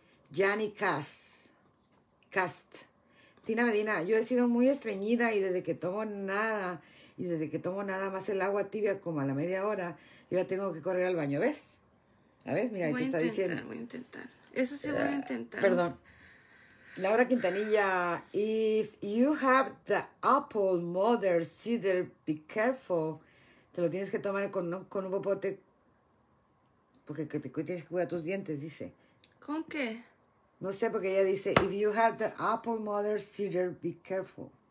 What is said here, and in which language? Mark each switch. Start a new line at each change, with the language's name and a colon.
Spanish: Gianni Cass. Cast. Tina Medina, yo he sido muy estreñida y desde que tomo nada más el agua tibia como a la media hora, yo ya tengo que correr al baño, ¿ves? A ver, mira, ahí te está diciendo. Voy a intentar. Perdón.
English: Laura Quintanilla, if you have the apple, mother, cider, be careful.
Spanish: Te lo tienes que tomar con un popote porque tienes que cuidar tus dientes, dice. ¿Con qué? No sé, porque ella dice,
English: if you have the apple, mother, cider, be careful.